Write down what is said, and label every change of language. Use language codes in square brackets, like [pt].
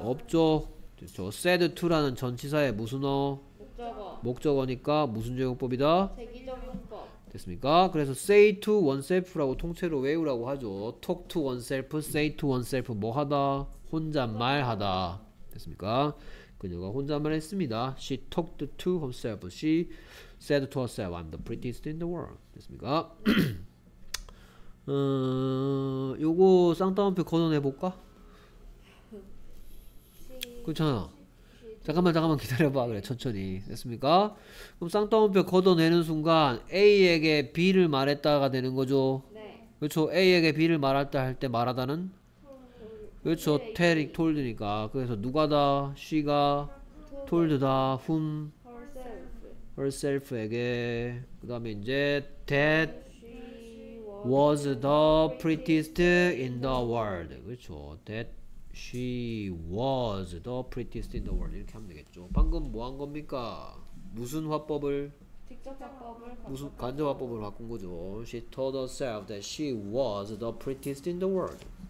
[ko] 없죠. 그렇죠. said to라는 전치사의 무슨 어? 목적어니까 무슨 적용법이다? 제기적용법. 됐습니까? 그래서 [en] say to oneself [ko] 라고 통째로 외우라고 하죠. [en] talk to oneself, say to oneself. [ko] 뭐 하다? 혼잣말 하다. [en] 됐습니까? [ko] 그녀가 혼잣말 했습니다. [en] She talked to herself. She said to herself, I'm the prettiest in the world. [ko] 됐습니까? 요거 쌍따옴표 걷어내볼까? 그렇잖아. 잠깐만 기다려봐. 그래, 천천히. 됐습니까? 그럼 쌍따옴표 걷어내는 순간 A에게 B를 말했다가 되는 거죠? 네. 그렇죠. A에게 B를 말했다 할 때 말하다는? 그렇죠. tell, told니까. 그래서 누가다? she가 told다. whom? [en] herself. [ko] herself에게. 그 다음에 이제 [en] that was the prettiest in the world. [ko] 그렇죠. [en] that she was the prettiest in the world. [ko] 이렇게 하면 되겠죠. 방금 뭐 한 겁니까? 무슨 화법을? 무슨 간접화법을 바꾼 거죠. [en] she told herself that she was the prettiest in the world.